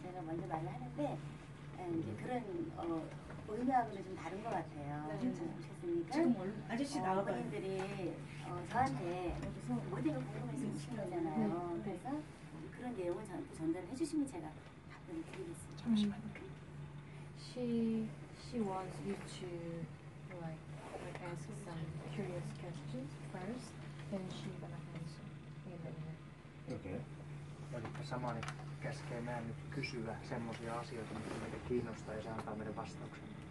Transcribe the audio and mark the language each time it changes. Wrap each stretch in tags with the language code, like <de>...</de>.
<ko>제가 먼저 말을 하는데 이제 그런 의미하고는 좀 다른 것 같아요. 오셨습니까? 지금 아저씨 나와봐요. 어머님들이 저한테 무슨 모델을 궁금해서 주시는 거잖아요. 그래서 그런 내용을 저한테 전달을 해주시면 제가 답변을 드리겠습니다. 잠시만요.</ko> <en>She wants you to like ask some curious questions first, then she's gonna answer. Okay.</en> <fi>Eli samani käskee meidän nyt kysyä semmosia asioita, mitä meitä kiinnostaa ja se antaa meidän vastauksen.</fi>